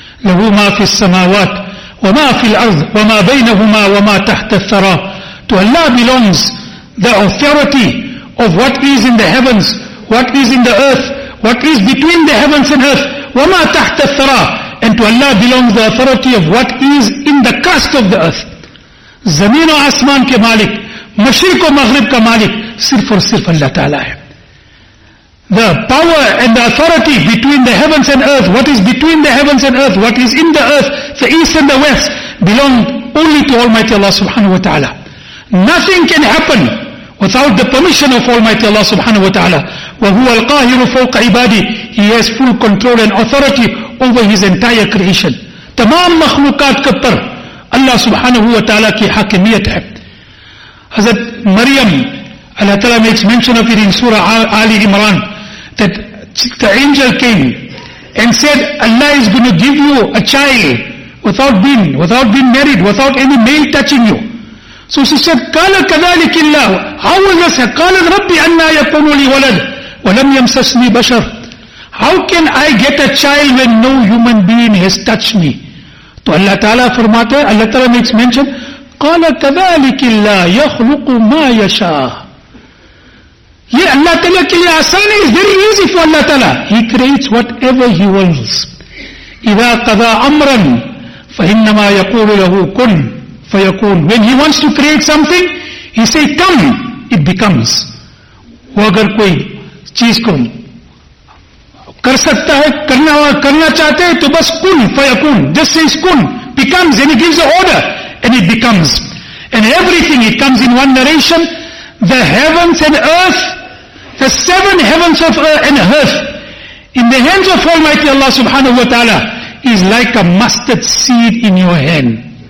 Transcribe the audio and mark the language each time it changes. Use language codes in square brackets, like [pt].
[ar] لَهُ مَا فِي السَّمَاوَاتِ وَمَا فِي الْأَرْضِ وَمَا بَيْنَهُمَا وَمَا تَحْتَ الثَّرَى. [en] To Allah belongs the authority of what is in the heavens, what is in the earth, what is between the heavens and earth. [ar] وَمَا تَحْتَ الثَّرَى. [en] And to Allah belongs the authority of what is in the crust of the earth. [ur] زمین و آسمان کے مالک, مشرق و مغرب کا مالک صرف اور صرف اللہ تعالیٰ ہے. [en] The power and the authority between the heavens and earth, what is between the heavens and earth, what is in the earth, the east and the west, belong only to Almighty Allah subhanahu wa ta'ala. Nothing can happen without the permission of Almighty Allah subhanahu wa ta'ala. [ar] وَهُوَ الْقَاهِرُ فَوْقَ عِبَادِهِ. [en] He has full control and authority over his entire creation. [ur] تمام مخلوقات کے پر اللہ سبحانہو وتعالی کی حاکمیت ہے. [en] حضرت مریم, اللہ تعالیٰ makes mention of it in Surah Ali Imran, that the angel came and said, Allah is going to give you a child without being married, without any male touching you. So she said, [ar] قَالَ كَذَلِكِ اللَّهُ. [en] How will this happen? [ar] قَالَ رَبِّ أَنَّا يَكُونُ لِي وَلَدٌ وَلَمْ يَمْسَسْنِي بَشَرٌ. [en] How can I get a child when no human being has touched me? [ur] تو اللہ تعالیٰ فرماتا ہے, [ar] اللہ تعالیٰ [en] makes mention, [ar] قَالَ كَذَلِكِ اللَّهُ يَخْلُقُ مَا يَشَاءُ. [ur] یہ اللہ تعالیٰ کے لئے آسان ہے. [en] It's very easy for [ur] اللہ تعالیٰ. [en] He creates whatever he wants. [ar] اِذَا قَضَى أَمْرًا فَإِنَّمَا يَقُولُ لَهُ كُنْ فَيَكُونُ. [en] When he wants to create something, he say, come, it becomes. [ur] وہ اگر کوئی چیز کو کر سکتا ہے, کرنا چاہتے ہیں, تو بس کن فیکون. [en] Just says کن, becomes, and he gives the order and it becomes. And everything, it comes in one narration, the heavens and earth, the seven heavens of earth and earth, in the hands of Almighty Allah subhanahu wa ta'ala, is like a mustard seed in your hand.